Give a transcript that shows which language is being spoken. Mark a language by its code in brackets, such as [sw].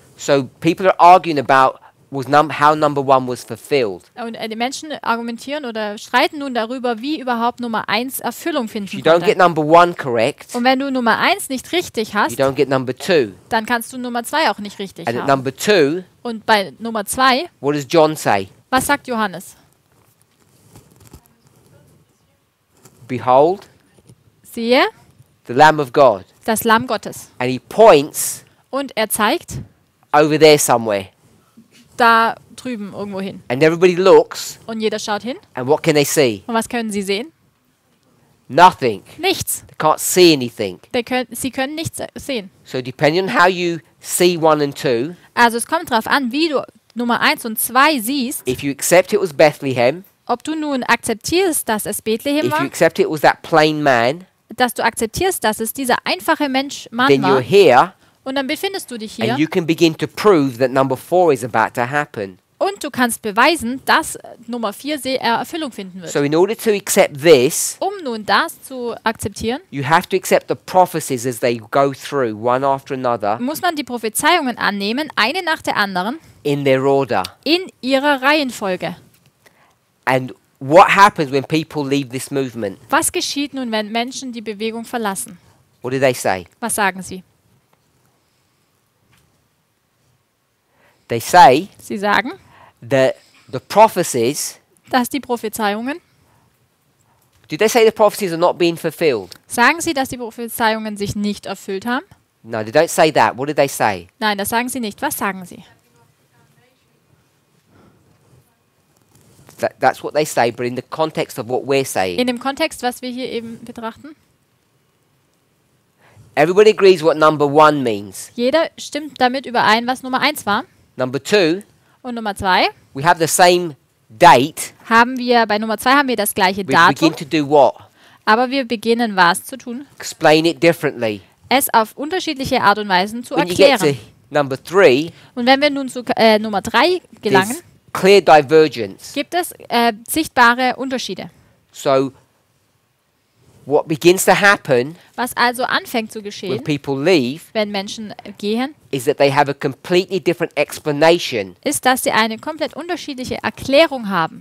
[en] So people are arguing about how number one was fulfilled. [de] Und die Menschen argumentieren oder streiten nun darüber, wie überhaupt Nummer 1 Erfüllung finden konnte. [en] You don't get number one correct. [de] Und wenn du Nummer 1 nicht richtig hast, [en] you don't get number two. [de] Dann kannst du Nummer 2 auch nicht richtig [en] and [de] haben. [en] At number two, [de] und bei Nummer 2, [en] what does John say? [de] Was sagt Johannes? [en] Behold, [de] siehe, [en] the Lamb of God. [de] Das Lamm Gottes. [en] And he points, [de] und er zeigt, [en] over there somewhere. [de] Da drüben irgendwo hin. [en] And everybody looks, [de] und jeder schaut hin. [en] And what can they see? [de] Und was können sie sehen? [en] Nothing. [de] Nichts. [en] They can't see anything. [de] Sie können nichts sehen. [en] So depending on how you see one and two, [de] also es kommt darauf an, wie du Nummer 1 und 2 siehst. [en] If you accept it was Bethlehem, [de] ob du nun akzeptierst, dass es Bethlehem war, [en] if you accept it was that plain man, [de] dass du akzeptierst, dass es dieser einfache Mensch Mann [en] then [de] war, [en] you're here, [de] und dann befindest du dich hier, [en] and you can begin to prove that number 4 is about to happen, [de] und du kannst beweisen, dass Nummer 4 Erfüllung finden wird. [en] So in order to accept this, [de] um nun das zu akzeptieren, [en] you have to accept the prophecies as they go through one after another, [de] muss man die Prophezeiungen annehmen, eine nach der anderen, [en] in their order, [de] in ihrer Reihenfolge. [en] And what happens when people leave this movement? [de] Was geschieht nun, wenn Menschen die Bewegung verlassen? [en] What do they say? [de] Was sagen sie? [en] They say, [de] sie sagen, [en] that the prophecies, [de] dass die Prophezeiungen, [en] do they say the prophecies are not being fulfilled? [de] Sagen sie, dass die Prophezeiungen sich nicht erfüllt haben? [en] No, they don't say that. What do they say? [de] Nein, das sagen sie nicht. Was sagen sie? [en] That's what they say, but in the context of what we're saying. [de] In dem Kontext, was wir hier eben betrachten. [en] Everybody agrees what number one means. [de] Jeder stimmt damit überein, was Nummer 1 war. [en] Number two. [de] Und Nummer zwei. [en] We have the same date. [de] Haben wir bei Nummer zwei haben wir das gleiche Datum. [en] We begin to do what? [de] Aber wir beginnen was zu tun? [en] Explain it differently. [de] Es auf unterschiedliche Art und Weisen zu [en] When [de] erklären. [en] You get to number three, [de] und wenn wir nun zu Nummer drei gelangen, [en] clear divergence. [de] Gibt es sichtbare Unterschiede. [en] So, what begins to happen, [de] was also anfängt zu geschehen, [en] when people leave, [de] wenn Menschen gehen, [en] is that they have a completely different explanation, [de] ist, dass sie eine komplett unterschiedliche Erklärung haben.